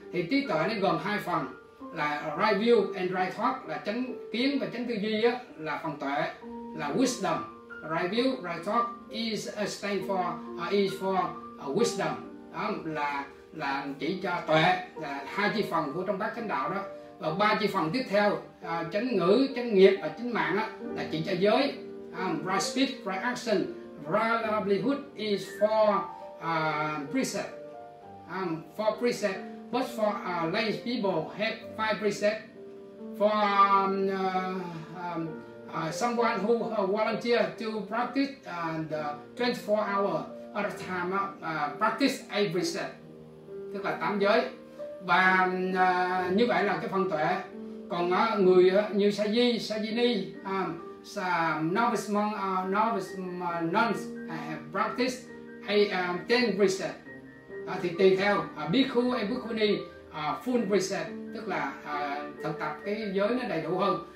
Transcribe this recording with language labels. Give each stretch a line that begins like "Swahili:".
Vietnamese: Thì trí tuệ nó gồm hai phần, là right view and right thought, là chánh kiến và chánh tư duy á, là phần tuệ, là wisdom. Right view, right thought is a stand for, is for wisdom, đó là chỉ cho tuệ, là hai chi phần của trong bát chánh đạo đó. Và ba chi phần tiếp theo, chánh ngữ, chánh nghiệp và chánh mạng đó, là chỉ cho giới.
English: Right speech, right action, right livelihood is for precept, for precept, but for lay people have five precepts. For someone who volunteer to practice and 24 hour at a time practice every set, tức là tám giới.
Vietnamese: Và như vậy là cái phần tuệ. Còn người như Sajini, novice monks have practiced 10 precepts. Thì tùy theo bhikkhu and bhikkhuni full precept, tức là thực tập cái giới nó đầy đủ hơn.